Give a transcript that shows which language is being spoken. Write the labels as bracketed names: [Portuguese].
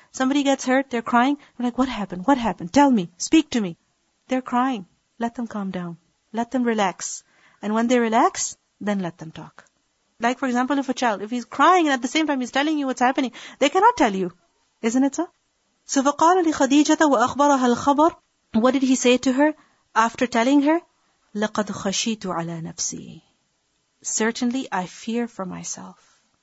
[English] Somebody gets hurt, they're crying. I'm like, what happened? What happened? Tell me. Speak to me. They're crying. Let them calm down. Let them relax. And when they relax, then let them talk. Like for example, if a child, if he's crying and at the same time he's telling you what's happening, they cannot tell you. isn't it, sir? So [Arabic] فقال لخديجة وأخبرها الخبر. [English] What did he say to her after telling her? [Arabic] لقد خشيت على نفسي. [English] Certainly, I fear for myself.